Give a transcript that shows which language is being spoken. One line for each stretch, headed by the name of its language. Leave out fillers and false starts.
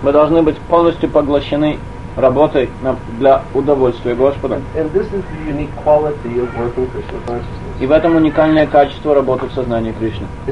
Russian: Мы должны быть полностью поглощены работой для удовольствия Господа.
English: And this is the unique quality of working Krishna consciousness.
Russian: И в этом уникальное качество работы в сознании Кришны.